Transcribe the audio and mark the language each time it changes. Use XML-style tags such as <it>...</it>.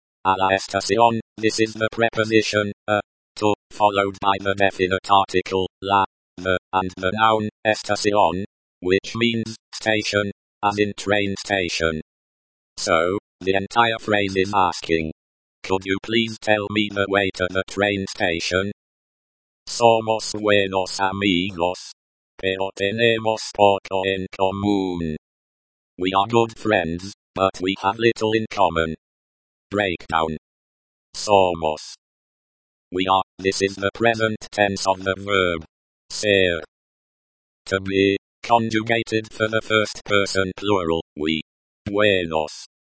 <es>A la estación,</es> <en>this is the preposition, a, to, followed by the definite article, la, the, and the noun, estación, which means, station, as in train station. So, the entire phrase is asking, could you please tell me the way to the train station?</en> <es>Somos buenos amigos, pero tenemos poco en común.</es> <en>We are good friends, but we have little in common. Breakdown. Somos. We are, this is the present tense of the verb. Ser. To be, conjugated for the first person plural, we. Buenos.</en>